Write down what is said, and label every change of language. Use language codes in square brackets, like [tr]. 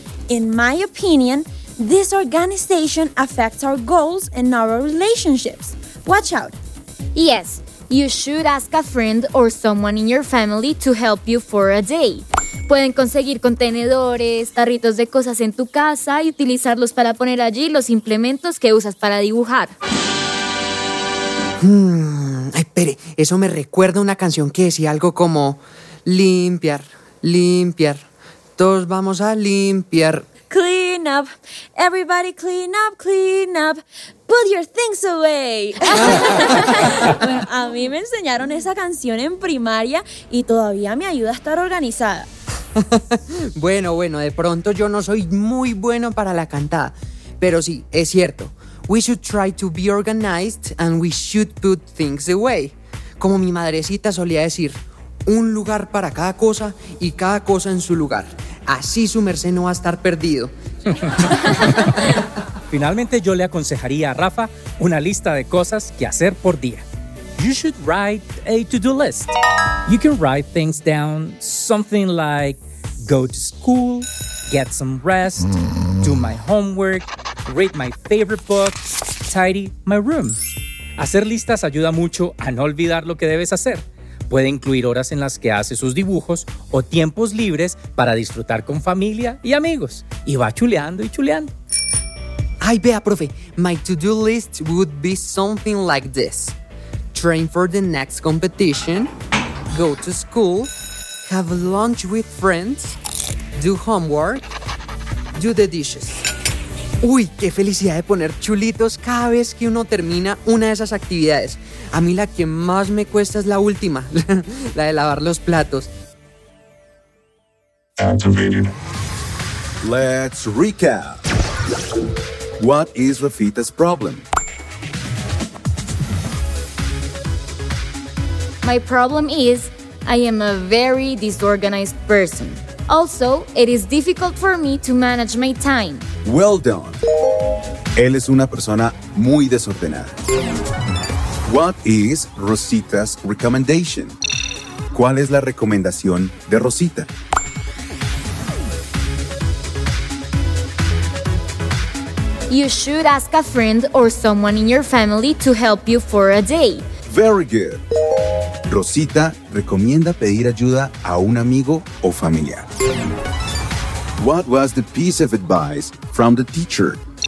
[en] In my opinion, this organization affects our goals and our relationships. Watch out. Yes, you should ask a friend or someone in your family to help you for a day. [es] Pueden conseguir contenedores, tarritos de cosas en tu casa y utilizarlos para poner allí los implementos que usas para dibujar. Ay, espere, eso me recuerda a una canción que decía algo como limpiar, limpiar, todos vamos a limpiar. [en] Clean up, everybody clean up, clean up, put your things away. [es] Pues a mí me enseñaron esa canción en primaria y todavía me ayuda a estar organizada. Bueno, bueno, de pronto yo no soy muy bueno para la cantada, pero sí, es cierto. [en] We should try to be organized and we should put things away. [es] Como mi madrecita solía decir, un lugar para cada cosa y cada cosa en su lugar. Así su merced no va a estar perdido. Finalmente, yo le aconsejaría a Rafa una lista de cosas que hacer por día. [en] You should write a to-do list. You can write things down, something like go to school, get some rest, do my homework, read my favorite book, tidy my room. [es] Hacer listas ayuda mucho a no olvidar lo que debes hacer. Puede incluir horas en las que hace sus dibujos o tiempos libres para disfrutar con familia y amigos. Y va chuleando y chuleando. [en] Ay, vea, profe, my to-do list would be something like this. Train for the next competition, go to school, have lunch with friends, do homework, do the dishes. [es] ¡Uy, qué felicidad de poner chulitos cada vez que uno termina una de esas actividades! A mí la que más me cuesta es la última, la de lavar los platos. [en] Activated. Let's recap. What is Rafita's problem? My problem is I am a very disorganized person. Also, it is difficult for me to manage my time. [es] Well done. Él es una persona muy desordenada. [en] What is Rosita's recommendation? ¿Cuál es la recomendación de Rosita? You should ask a friend or someone in your family to help you for a day. Very good. [es] Rosita recomienda pedir ayuda a un amigo o familiar. [en] What was the piece of advice from the teacher?